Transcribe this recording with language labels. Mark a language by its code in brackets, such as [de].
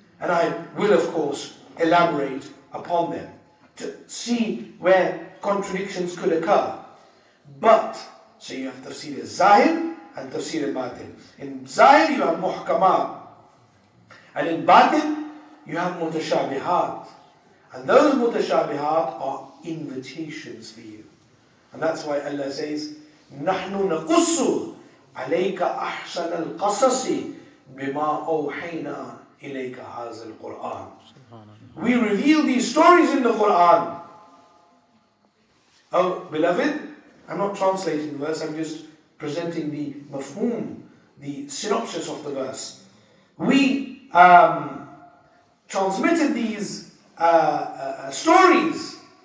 [en] And I will, of course, elaborate upon them to see where contradictions could occur. But, so you have Tafsir al-Zahir and Tafsir al-Batin. In Zahir, you have Muhkamah. And in Batin, you have mutashabihat. And those mutashabihat are invitations for you. And that's why Allah says, [ar] نَحْنُ نَقُصُّ عَلَيْكَ أَحْسَنَ الْقَصَصِ بِمَا أَوْحَيْنَا إِلَيْكَ هَذَا الْقُرْآنِ. [en] We reveal these stories in the Quran. Oh, beloved, I'm not translating the verse, I'm just presenting the mafhum, the synopsis of the verse. We transmitted these stories.